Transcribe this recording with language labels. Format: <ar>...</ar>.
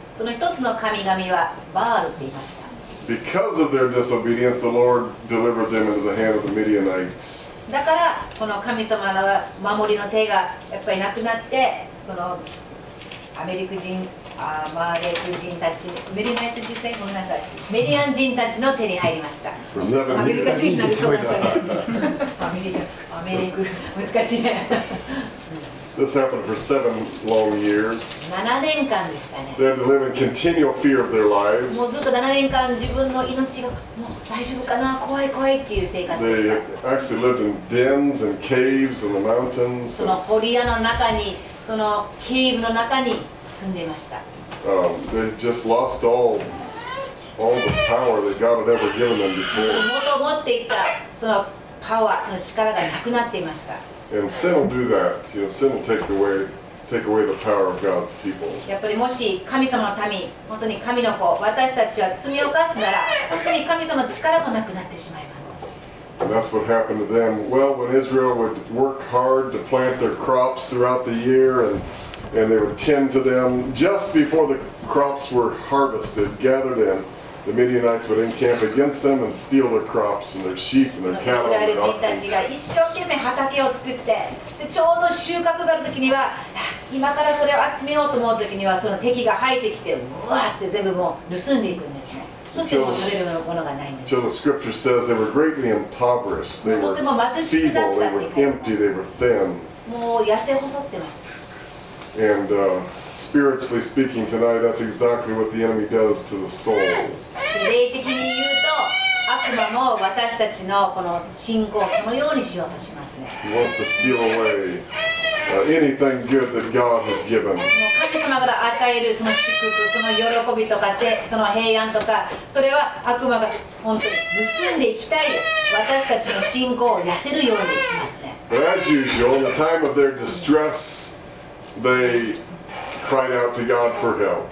<ja>その一つの神々はバールって言いました。</ja> <en>Because of their disobedience, the Lord delivered them into the hand of the Midianites.</en> <ja>だからこの神様の守りの手がやっぱりなくなって、そのアメリカ人、アマレク人たち、メディナイス人生、ごめんなさい、メディアン人たちの手に入りました。アメリカ人になりそうなんですね。アメリカ、難しいね。</ja> <en>This happened for 7 long years.</en> <ja>7年間でしたね。</ja> <en>They had to live in continual fear of their lives.</en> <ja>もうずっと7年間自分の命がもう大丈夫かな、怖い怖いっていう生活でした。</ja> <en>They actually lived in dens and caves in the mountains.</en> <ja>その堀屋の中に、そのケーブの中に住んでました。</ja> <en>They just lost all the power that God had ever given them before.</en> <ja>元々持っていたそのパワー、その力がなくなっていました。</ja> <en>And sin will do that. You know, sin will take away the power of God's people.</en> <ja>やっぱりもし神様の民、本当に神の子、私たちは罪を犯すなら、本当に神様の力もなくなってしまいます。</ja> <en>And that's what happened to them. Well, when Israel would work hard to plant their crops throughout the year and they would tend to them, just before the crops were harvested, gathered in, the Midianites would encamp against them and steal their crops and their sheep and their cattle and their oxen.</en> <ja>イスラエル人たちが一生懸命畑を作って、でちょうど収穫がある時には、今からそれを集めようと思う時には、その敵が入ってきて、うわーって全部もう盗んでいくんですね。そしてもう取れるものがないんです。</ja> <en>So the scripture says they were greatly impoverished. They were feeble, they were empty, they were thin.</en> <ja>もう痩せ細ってました。</ja> <en>And spiritually speaking tonight, that's exactly what the enemy does to the soul.</en> <ja>霊的に言うと、悪魔も私たちのこの信仰をそのようにしようとしますね。</ja> <en>He wants to steal away anything good that God has given.</en> <ja>神様から与えるその祝福、その喜びとか、その平安とか、それは悪魔が本当に盗んでいきたいです。私たちの信仰を痩せるようにしますね。 But as usual, in the time of their distress, they cried out to God for help.</ja>